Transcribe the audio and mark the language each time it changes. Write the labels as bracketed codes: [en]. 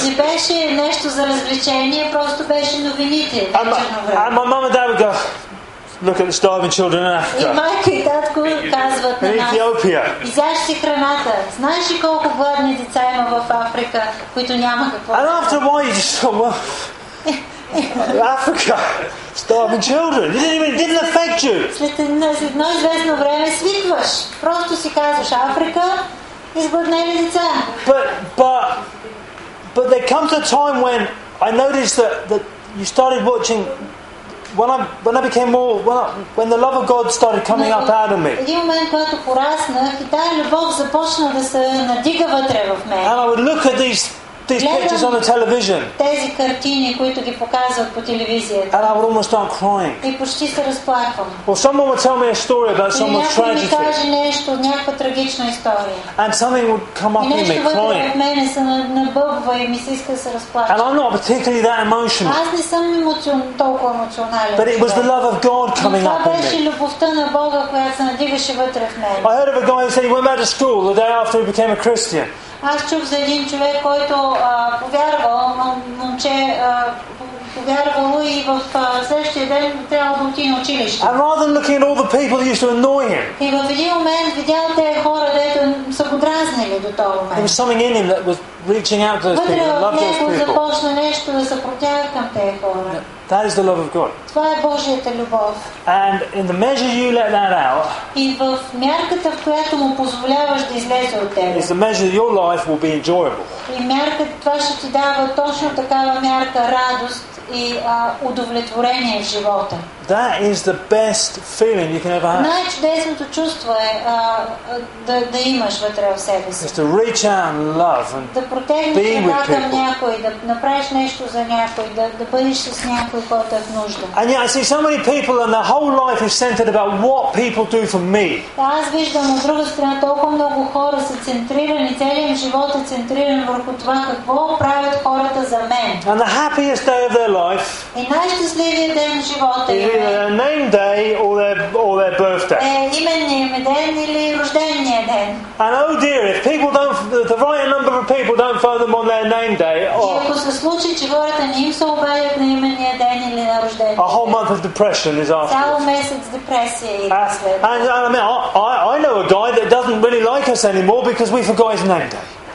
[en] And my mum and dad would go, look at the starving children in Africa. In Ethiopia. And after a while you just thought, well, Africa, starving children. It didn't affect you. [bg] След едно известно време свикваш. Просто си казваш Африка, изгладнели деца. [en] But there comes a time when I noticed that you started watching when the love of God started coming up out of me. [bg] Един момент, когато пораснах, и тая любов започна да се надига вътре в мен. [en] And I would look at these pictures on the television. [bg] Тези картини, които ги показват по телевизията. [en] And I would almost start crying. [bg] И почти се разплаквам. [en] Well, someone would tell me a story about someone's tragedy. [bg] Някой ми каже нещо, някаква трагична история. [en] And something would come up in me, crying. [bg] И нещо вътре в мене се набъбва и ми се иска да се разплаквам. [en] And I'm not particularly that emotional. [bg] Аз не съм толкова емоционален. [en] But it was the love of God coming up in me. [bg] Това беше любовта на Бога, която се надигаше вътре в мен. [en] I heard of a guy who said he went back to school the day after he became a Christian. [bg] Аз чух за един човек, който повярвал и в следващия ден трябва да отиде на училище. [en] And rather than looking at all the people that used to annoy him. [bg] И в един момент видял тези хора, дето са го дразнили до този момент. [en] There was something in him that was reaching out to those people, loved those people. [bg] Вътре в него започна нещо да съпротява към тези хора. [en] That is the love of God. [bg] Това е Божията любов. [en] And in the measure you let that out. [bg] И в мярката, в която му позволяваш да излезе от тебе. [en] Is the measure your life will be enjoyable. [bg] И мярката, това ще ти дава точно такава мярка радост и удовлетворение в живота. [en] That is the best feeling you can ever have. [bg] Най-чудесното чувство е да имаш вътре в себе си. [en] Is to reach out and love and [bg] да протегнеш ръка към някой, да направиш нещо за някой, да бъдеш с някой. [en] And yet I see so many people and their whole life is centered about what people do for me. [bg] Аз виждам от друга страна толкова много хора са центрирани, целият им живот е центриран върху това какво правят хората за мен. [en] And the happiest day of their life. [bg] И най-щастливият ден в живота им. [en] Either their name day or their birthday. [bg] Е именния ден или рождения ден. [en] And oh dear, if people don't, the right number of people don't phone them on their name day. Oh. [bg] Ако се случи, че хората не им се обадят на имен. [en] A whole month of depression is after. And I mean, I know a guy that doesn't really like us anymore because we forgot his name day.